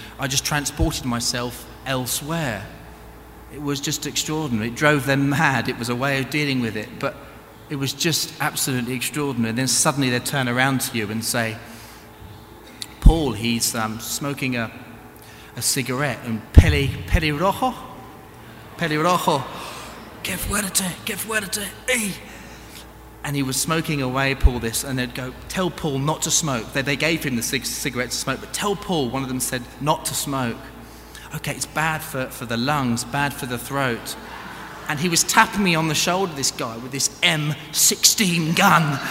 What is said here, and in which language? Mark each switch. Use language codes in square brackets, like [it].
[en] I just transported myself elsewhere. It was just extraordinary. It drove them mad. It was a way of dealing with it, but it was just absolutely extraordinary. And then suddenly they turn around to you and say, Paul, he's smoking a cigarette, and Peli Rojo? [es] Pelirojo, que fuerte, que fuerte, ey. [en] And he was smoking away, Paul, this, and they'd go, tell Paul not to smoke. They gave him the cigarette to smoke, but tell Paul, one of them said, not to smoke. Okay, it's bad for the lungs, bad for the throat. And he was tapping me on the shoulder, this guy, with this M16 gun.